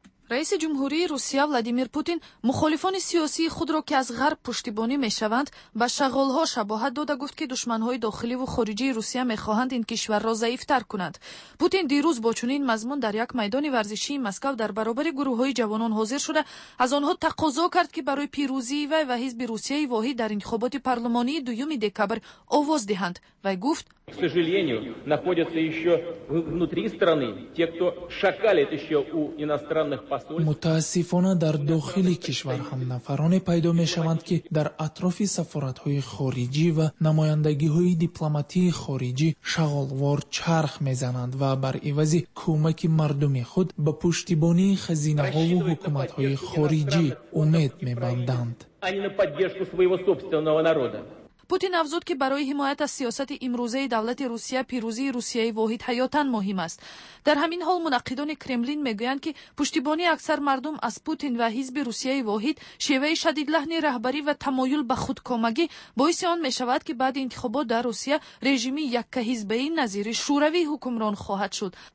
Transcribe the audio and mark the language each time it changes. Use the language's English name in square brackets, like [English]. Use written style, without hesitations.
[Persian] رئیس جمهوری روسیه ولادیمیر پوتین مخالفان سیاسی خود را که از غرب پشتیبانی میشوند به شغالها شباهت داده گفت که دشمنهای داخلی و خارجی روسیه میخواهند این کشور را ضعیف‌تر کنند. پوتین دیروز با چنین مضمون در یک میدان ورزشی مسکو در برابر گروه های جوانان حاضر شده از آنها تقاضا کرد که برای پیروزی وی و حزب روسیه واحد در انتخابات پارلمانی دوم دکبر آواز دهند و گفت: [Russian] К сожалению, находятся еще внутри страны те, кто шакалит еще у иностранных посольств. [Tajik] Мутасифона дар дохили кишвар хам нафароне пайдо мешаванд ки дар атрофи сафаратҳои хориҷӣ ва намояндагиҳои дипломатии хориҷӣ шағолвор чарх мезананд ва бар ивази кӯмаки мардуми худ ба пуштибонии хазинаҳо ва ҳукуматҳои хориҷӣ умед мебанданд. [Russian] Они на поддержку своего собственного народа. [Persian] پوتین افزود که برای حمایت از سیاست امروزه دولت روسیه پیروزی روسیه واحد حیاتاً مهم است. در همین حال منقدان کرملین میگویند که پشتیبانی اکثر مردم از پوتین و حزب روسیه واحد، شیوه شدید لحن رهبری و تمایل به خودکامگی باعث آن میشود که بعد انتخابات در روسیه رژیمی یکه حزبی نظیر شوروی حکمران خواهد شد.